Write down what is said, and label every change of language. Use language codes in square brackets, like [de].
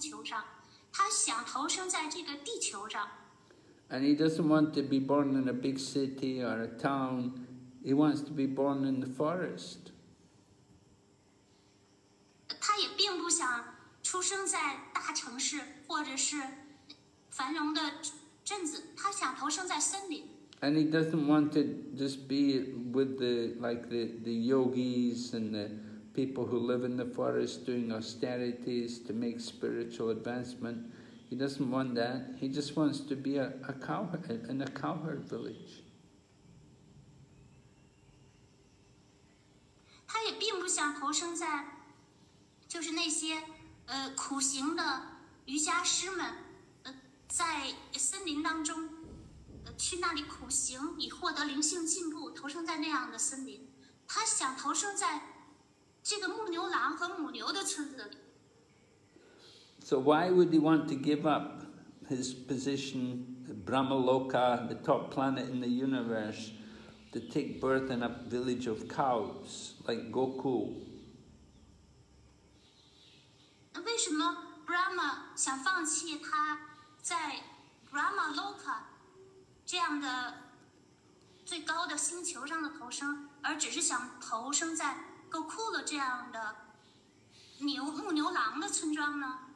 [zh] 他并不想投生在他自己的星球上，他想投生在这个地球上。 [en] And he doesn't want to be born in a big city or a town. He wants to be born in the forest. [zh] 他也并不想 出生在大城市或者是繁荣的镇子，他想投生在森林。 [en] And he doesn't want to just be with the yogis and the people who live in the forest doing austerities to make spiritual advancement. He doesn't want that. He just wants to be a cowherd in a cowherd village. [zh] 他也并不想投生在就是那些 苦行的瑜伽师们，在森林当中，去那里苦行，以获得灵性进步，投生在那样的森林。他想投生在这个牧牛郎和母牛的村子里。 [en] So why would he want to give up his position, Brahmaloka, the top planet in the universe, to take birth in a village of cows like Gokul? [zh] 为什么 Brahma 想放弃他在 Brahma Loka 这样的最高的星球上的投生，而只是想投生在 Gokul 这样的牛牧牛郎的村庄呢